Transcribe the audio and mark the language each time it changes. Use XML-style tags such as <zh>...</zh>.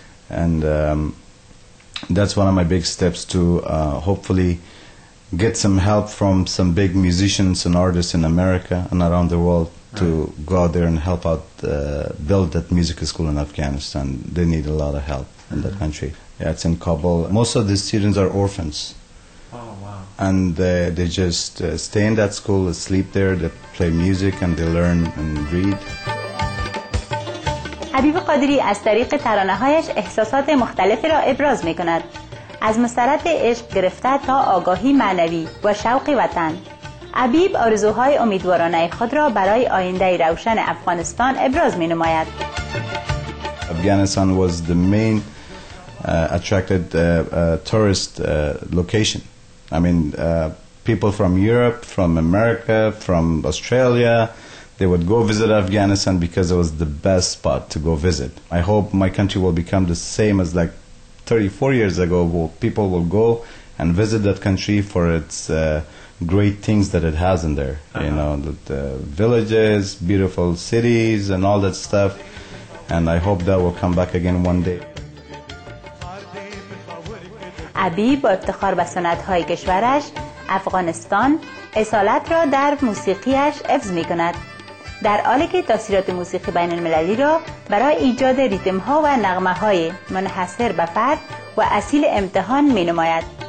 <en>And that's one of my big steps to hopefully get some help from some big musicians and artists in America and around the world to go out there and help out, build that music school in Afghanistan. They need a lot of help in that country. Yeah, it's in Kabul. Most of the students are orphans. And they just stay in that school, sleep there, they play music and they learn and read.</en> <fa>حبیب قادری از طریق ترانه‌هایش احساسات مختلفی را ابراز می‌کند، از مسترد عشق گرفته تا آگاهی معنوی و شوق وطن. حبیب آرزوهای امیدوارانه خود را برای آینده روشن افغانستان ابراز می‌نماید.</fa> <en>Afghanistan was the main attracted tourist location. I mean, people from Europe, from America, from Australia, they would go visit Afghanistan because it was the best spot to go visit. I hope my country will become the same as like 34 years ago, where people will go and visit that country for its great things that it has in there. Uh-huh. You know, the villages, beautiful cities and all that stuff. And I hope that will come back again one day.</en> <fa>حبیب با افتخار به سنت‌های کشورش افغانستان اصالت را در موسیقیش حفظ می‌کند، در حالی که تاثیرات موسیقی بین المللی را برای ایجاد ریتم‌ها و نغمه‌های منحصر به فرد و اصیل امتحان می‌نماید.</fa>